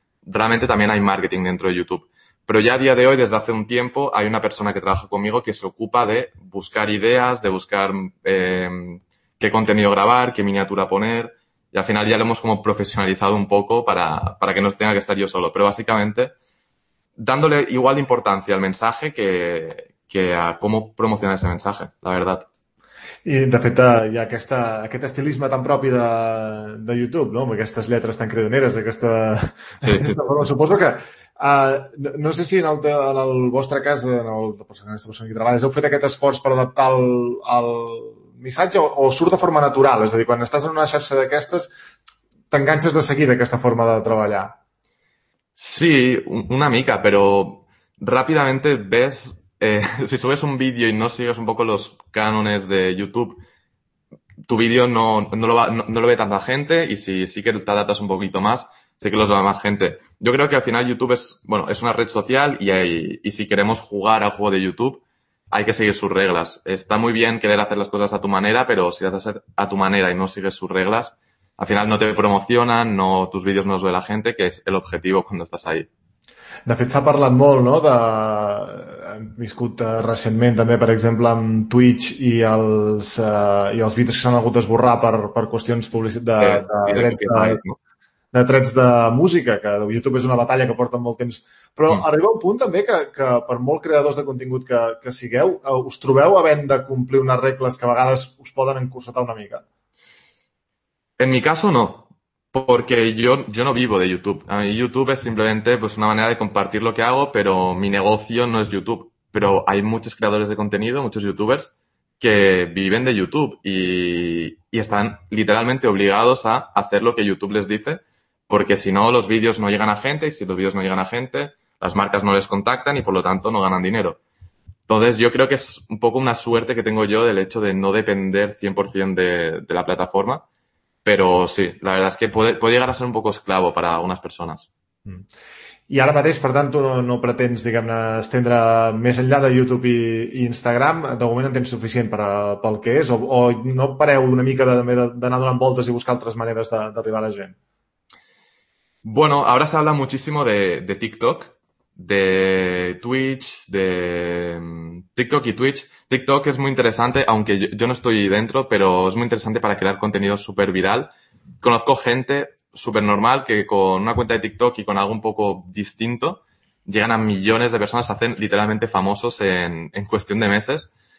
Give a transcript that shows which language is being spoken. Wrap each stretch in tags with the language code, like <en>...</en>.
<es>Realmente también hay marketing dentro de YouTube. Pero ya a día de hoy, desde hace un tiempo, hay una persona que trabaja conmigo que se ocupa de buscar ideas, de buscar qué contenido grabar, qué miniatura poner. Y al final ya lo hemos como profesionalizado un poco para que no tenga que estar yo solo. Pero básicamente, dándole igual importancia al mensaje que a cómo promocionar ese mensaje, la verdad.</es> <ca>I, de fet, hi ha aquest estilisme tan propi de YouTube, no? Amb aquestes lletres tan cridaneres, Sí. aquesta forma. Suposo que, no sé si en el vostre cas, en aquesta persona que treballes, heu fet aquest esforç per adaptar el missatge o surt de forma natural? És a dir, quan estàs en una xarxa d'aquestes, t'enganxes de seguida a aquesta forma de treballar. Sí, una mica,</ca> <es>pero rápidamente ves, si subes un vídeo y no sigues un poco los cánones de YouTube, tu vídeo no lo ve tanta gente y si sí que te adaptas un poquito más, sí que los ve más gente. Yo creo que al final YouTube bueno, es una red social y si queremos jugar al juego de YouTube, hay que seguir sus reglas. Está muy bien querer hacer las cosas a tu manera, pero si haces a tu manera y no sigues sus reglas, al final no te promocionan, no tus vídeos no los ve la gente, que es el objetivo cuando estás ahí.</es> <ca>De fet, s'ha parlat molt, no? Hem viscut recentment també, per exemple, amb Twitch i els vídeos que s'han hagut d'esborrar per qüestions Sí, i de copyright, no? de drets de música, que YouTube és una batalla que porta molt temps. Però arriba un punt també que per molt creadors de contingut que sigueu, us trobeu havent de complir unes regles que a vegades us poden encotillar una mica.</ca> <es>En mi caso no, porque yo no vivo de YouTube. A mí YouTube es simplemente pues una manera de compartir lo que hago, pero mi negocio no es YouTube. Pero hay muchos creadores de contenido, muchos YouTubers que viven de YouTube y están literalmente obligados a hacer lo que YouTube les dice, porque si no los vídeos no llegan a gente y si los vídeos no llegan a gente, las marcas no les contactan y por lo tanto no ganan dinero. Entonces yo creo que es un poco una suerte que tengo yo del hecho de no depender 100% de la plataforma. Pero sí, la verdad es que puede llegar a ser un poco esclavo para algunas personas.</es> <ca>I ara mateix, per tant, tu no pretens, diguem-ne, estendre més enllà de YouTube i Instagram. De moment en tens suficient pel que és, o no pareu una mica d'anar donant voltes i buscar altres maneres d'arribar a la gent?</ca> <es>Bueno, ahora se habla muchísimo de TikTok, de Twitch, de TikTok y Twitch. TikTok es muy interesante, aunque yo no estoy dentro, pero es muy interesante para crear contenido súper viral. Conozco gente súper normal que con una cuenta de TikTok y con algo un poco distinto llegan a millones de personas, se hacen literalmente famosos en cuestión de meses.</es>